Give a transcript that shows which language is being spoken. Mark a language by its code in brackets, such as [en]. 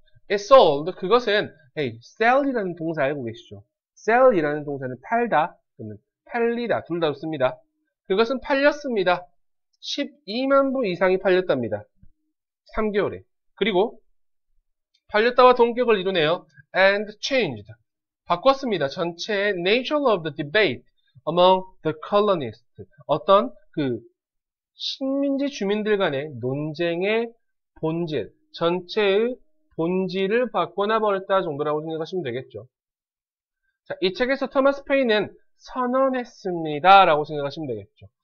[en] It sold. [ko] 그것은 hey, sell이라는 동사 알고 계시죠? sell이라는 동사는 팔다 또는 팔리다 둘 다 좋습니다. 그것은 팔렸습니다. 12만 부 이상이 팔렸답니다. 3개월에. 그리고 팔렸다와 동격을 이루네요. [en] And changed. [ko] 바꿨습니다. 전체의 [en] nature of the debate among the colonists. [ko] 어떤 그 식민지 주민들 간의 논쟁의 본질, 전체의 본질을 바꿔놔 버렸다 정도라고 생각하시면 되겠죠. 자, 이 책에서 토마스 페인은 선언했습니다라고 생각하시면 되겠죠.